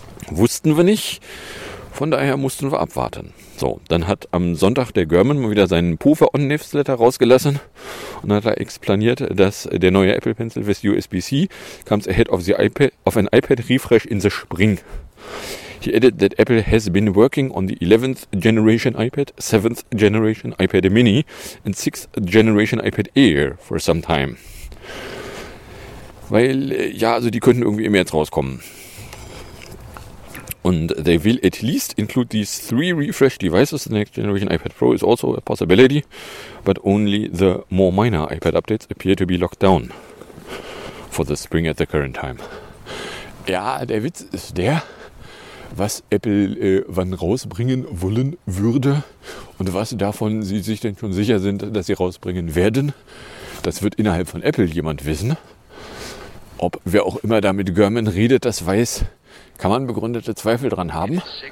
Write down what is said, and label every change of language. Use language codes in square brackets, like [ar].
[de] Wussten wir nicht, von daher mussten wir abwarten. So, dann hat am Sonntag der German mal wieder seinen Pofer-On-Newsletter rausgelassen und hat da explaniert, dass der neue Apple Pencil [en] with USB-C comes ahead of the iPad, of an iPad refresh in the spring. He added that Apple has been working on the 11th generation iPad, 7th generation iPad Mini and 6th generation iPad Air for some time. [de] Weil, ja, also die könnten irgendwie im März rauskommen. Und [en] they will at least include these 3 refresh devices. The next generation iPad Pro is also a possibility, but only the more minor iPad updates appear to be locked down for the spring at the current time. [de] Ja, der Witz ist der, was Apple wann rausbringen wollen würde und was davon sie sich denn schon sicher sind, dass sie rausbringen werden, das wird innerhalb von Apple jemand wissen. Ob wer auch immer da mit German redet, das weiß, kann man begründete Zweifel dran haben.